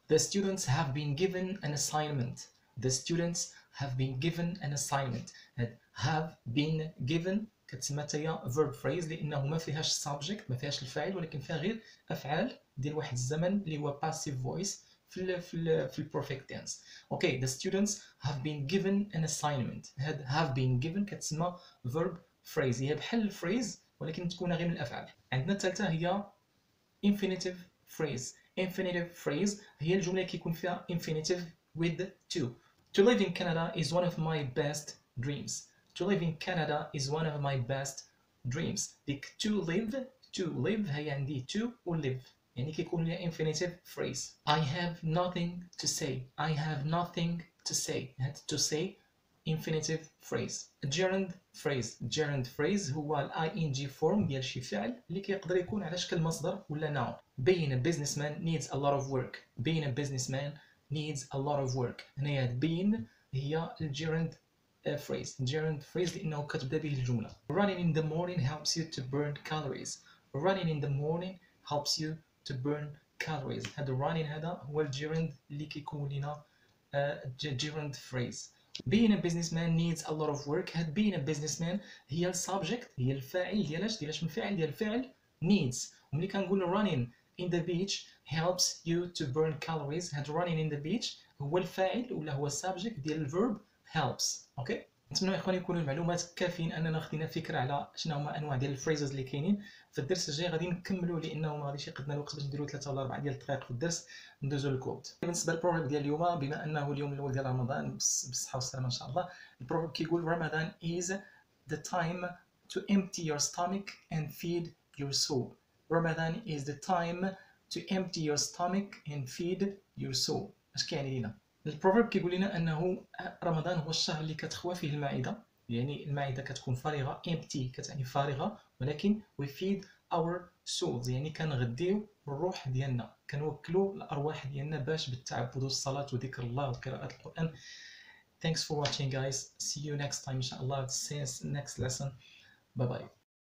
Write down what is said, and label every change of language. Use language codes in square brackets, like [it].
[en] The students have been given an assignment. The students have been given an assignment. Have been given [ar] كتسمى تايا verb phrase لأنه ما فيهاش subject، ما فيهاش الفاعل، ولكن فيها غير أفعال ديال واحد الزمن اللي هو passive voice في perfect tense. [en] Okay, the students have been given an assignment. Had have been given [ar] كتسمى verb phrase، هي بحال phrase ولكن تكون غير من الأفعال. عندنا الثالثة هي infinitive phrase. Infinitive phrase هي الجملة اللي كيكون فيها infinitive with to. [en] To live in Canada is one of my best dreams. To live in Canada is one of my best dreams. Like to live [ar] هي عندي to و live، يعني كيكون ليها infinitive phrase. [en] I have nothing to say. I have nothing to say. Had to say infinitive phrase. Gerund phrase. [ar] Gerund phrase هو ال ing form ديال شي فعل اللي كيقدر يكون على شكل مصدر ولا noun. [en] Being a businessman needs a lot of work. Being a businessman needs a lot of work. [ar] هنا being هي الgerund phrase. Gerund phrase لأنه كتبدأ به الجملة. [en] Running in the morning helps you to burn calories. Running in the morning helps you to burn calories. [ar] هذا running هذا هو الجيرند اللي كيكون لنا gerund phrase. [en] Being a businessman needs a lot of work. [ar] هاد [en] being a businessman [ar] هي subject، هي الفاعل ديالاش، ديالاش من فعل ديال الفعل needs. وملي كنقول [en] running in the beach helps you to burn calories، [ar] هاد running in the beach هو الفاعل ولا هو subject ديال الverb helps. اوكي، نتمنى اخواني يكونوا المعلومات كافيين، اننا خدينا فكره على شنو هما انواع ديال الفريزز اللي كاينين. في الدرس الجاي غادي نكملوا لانه ما غاديش يقدنا الوقت باش نديروا 3 ولا 4 ديال الدقائق في الدرس، ندوزوا للكود. بالنسبه للبروفيرب ديال اليوم، بما انه اليوم الاول ديال رمضان بالصحه والسلامه ان شاء الله، البروفيرب كيقول رمضان [en] is the time to empty your stomach and feed your soul. رمضان is the time to empty your stomach and feed your soul. [ar] اش كيعني لينا الproverb؟ كيقول لنا انه رمضان هو الشهر اللي كتخوى فيه المعده، يعني المعده كتكون فارغه، empty كتعني فارغه، ولكن [en] we feed our souls [ar] يعني كنغديو الروح ديالنا، كنوكلوا الارواح ديالنا باش بالتعبد والصلاه وذكر الله وقراءه القران. [en] Thanks for watching, guys. See you next time, inshallah. See you next lesson. Bye bye.